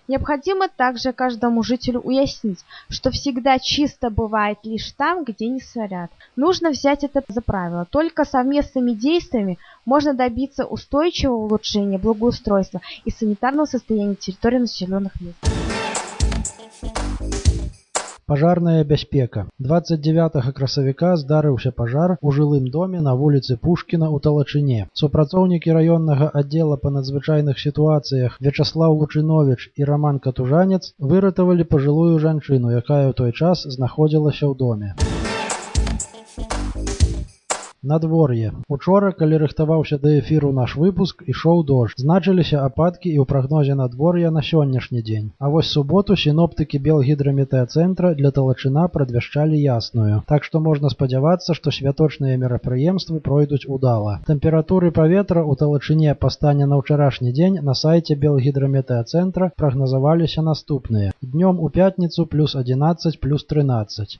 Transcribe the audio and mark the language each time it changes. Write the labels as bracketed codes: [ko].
[ru] Необходимо также каждому жителю уяснить, что всегда чисто бывает лишь там, где не сорят. Нужно взять это за правило. Только совместными действиями можно добиться устойчивого улучшения благоустройства и санитарного состояния территории населенных мест. [be] Пажарная бяспека. 29 красавіка здарыўся пажар у жылым доме на вуліцы Пушкіна ў Талачыне. Супрацоўнікі раённага аддзела па надзвычайных сітуацыях Вячаслаў Лучынович і Раман Катужанец выратавалі пажылую жанчыну, якая ў той час знаходзілася ў доме. Надвор'е. Учора, калі рыхтаваўся да эфіру наш выпуск, ішоў дождж. Значыліся ападкі і ў прагнозе надвор'я на сённяшні дзень. А вось суботу сіноптыкі Белгідраметэацэнтра для Талачына прадвяшчалі ясную. Так што можна спадзявацца, што святочныя мерапрыемствы пройдуць удала. Тэмпературы паветра ў Талачыне па стане на ўчарашні дзень на сайце Белгідраметэацэнтра прагназаваліся наступныя. Днём у пятніцу плюс 11, плюс 13.